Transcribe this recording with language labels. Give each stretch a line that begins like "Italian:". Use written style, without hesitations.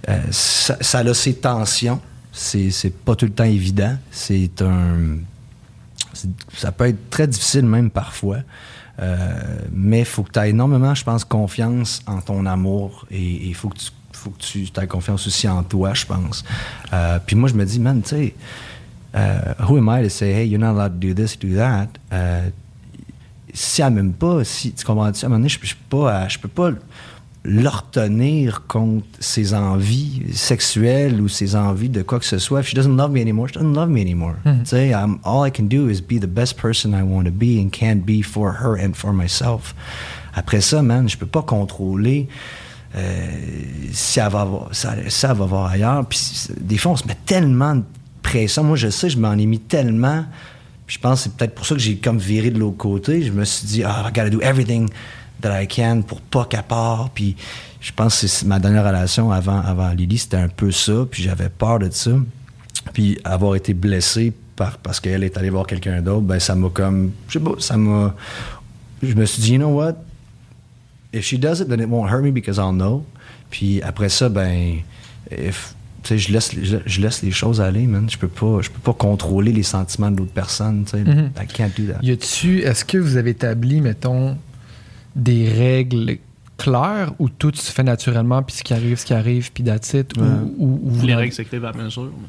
French: Ça a ses tensions, c'est pas tout le temps évident, ça peut être très difficile même parfois, mais faut que tu aies énormément, je pense, confiance en ton amour, et faut que tu aies confiance aussi en toi, je pense. Puis moi, je me dis, man, tu sais,
English: who am I to say, hey, you're not allowed to do this, do that?
French: Si elle m'aime pas, si tu comprends-tu, à un moment donné, je peux pas l'ortonner contre ses envies sexuelles ou ses envies de quoi que ce soit.
English: If she doesn't love me anymore, she doesn't love me anymore.
French: Tu sais,
English: all I can do is be the best person I want to be and can be for her and for myself.
French: Après ça, man, je peux pas contrôler... Si elle va voir ailleurs. Puis des fois, on se met tellement de pression. Moi, je sais, je m'en ai mis tellement. Puis je pense que c'est peut-être pour ça que j'ai comme viré de l'autre côté. Je me suis dit,
English: I gotta do everything that I can
French: pour pas qu'elle part. Puis je pense que c'est ma dernière relation avant Lily, c'était un peu ça. Puis j'avais peur de ça. Puis avoir été blessé parce qu'elle est allée voir quelqu'un d'autre, ben ça m'a comme, je sais pas, je me suis dit,
English: you know what? If she does it, then it won't hurt me because I'll know.
French: Puis après ça, ben,
English: if
French: tu sais, je laisse les choses aller, man. Je peux pas contrôler les sentiments de l'autre personne, tu sais.
English: Mm-hmm. I can't do that.
French: Y a-tu, est-ce que vous avez établi, mettons, des règles claires ou tout se fait naturellement, puis ce qui arrive, puis
English: that's it?
French: Les règles s'écrivent à mesure.